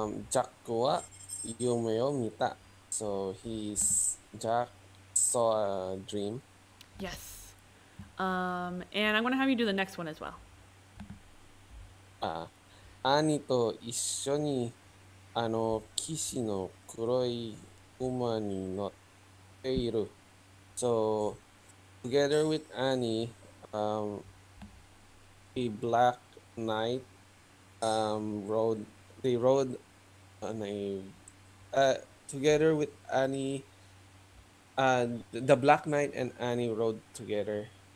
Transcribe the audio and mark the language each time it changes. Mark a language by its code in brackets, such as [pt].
[ja] Jack wa yume wo mita. [en] So Jack saw a dream. Yes. And I'm going to have you do the next one as well. [ja] Ani to issho ni... あの騎士の黒い馬に乗っている。 [en] So together with Annie, a black knight rode on a together with Annie the black knight and Annie rode together.